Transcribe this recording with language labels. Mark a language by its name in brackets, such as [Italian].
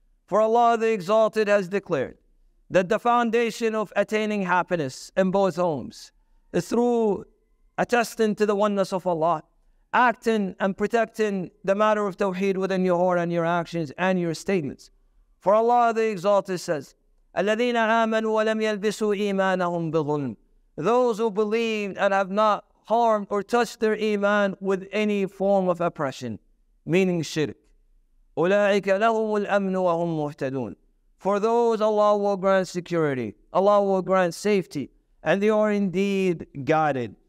[English] For Allah the Exalted has declared that the foundation of attaining happiness in both homes is through attesting to the oneness of Allah, acting and protecting the matter of tawheed within your heart and your actions and your statements. For Allah the Exalted says, [Arabic] الَّذِينَ آمَنُوا وَلَمْ يَلْبِسُوا إِيمَانَهُمْ بِظُلْمٍ. [English] Those who believed and have not harmed or touched their iman with any form of oppression, meaning shirk. [Arabic] أُولَٰئِكَ لَهُمُ الْأَمْنُ وَهُمْ مُهْتَدُونَ. [English] For those Allah will grant security, Allah will grant safety, and they are indeed guided.